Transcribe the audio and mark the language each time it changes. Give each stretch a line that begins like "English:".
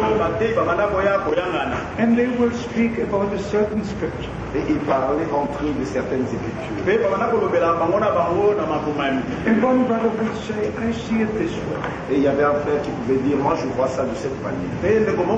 English: And they would speak about a certain scripture.
French: Et ils parlaient entre eux de certaines écritures.
English: And one brother would say, I see it this way.
French: Et il y avait un frère qui pouvait dire, moi je vois ça de cette manière.